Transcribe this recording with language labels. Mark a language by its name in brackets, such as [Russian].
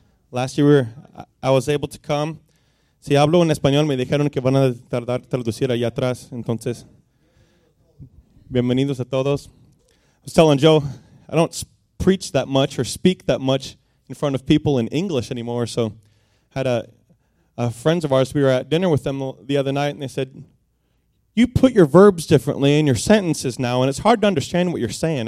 [English] Last year, I was able to come. [Spanish] Si hablo en español, me dijeron que van a tardar traducir allá atrás. Entonces, bienvenidos a todos. [English] I was telling Joe, I don't preach that much or speak that much in front of people in English anymore. So, had a friends of ours, we were at dinner with them the other night, and they said, you put your verbs differently in your sentences now, and it's hard to understand what you're saying.